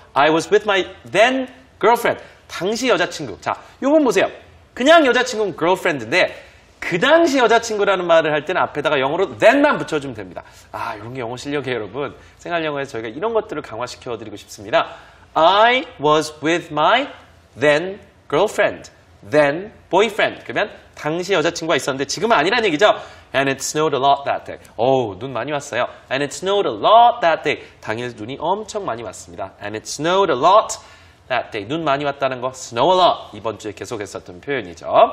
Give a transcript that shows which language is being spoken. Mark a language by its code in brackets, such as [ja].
[en] I was with my then girlfriend. [ko] 당시 여자친구. 자, 요번 보세요. 그냥 여자친구는 girlfriend인데 그 당시 여자친구라는 말을 할 때는 앞에다가 영어로 then만 붙여주면 됩니다. 아, 이런 게 영어 실력이에요, 여러분. 생활 영어에서 저희가 이런 것들을 강화시켜드리고 싶습니다. [en] I was with my then girlfriend, then boyfriend. [ko] 그러면 당시 여자친구가 있었는데 지금은 아니라는 얘기죠. [en] And it snowed a lot that day. [ko] 오우, 눈 많이 왔어요. [en] And it snowed a lot that day. [ko] 당일 눈이 엄청 많이 왔습니다. [en] And it snowed a lot that day. [ko] 눈 많이 왔다는 거, [en] snow a lot. [ko] 이번 주에 계속 했었던 표현이죠.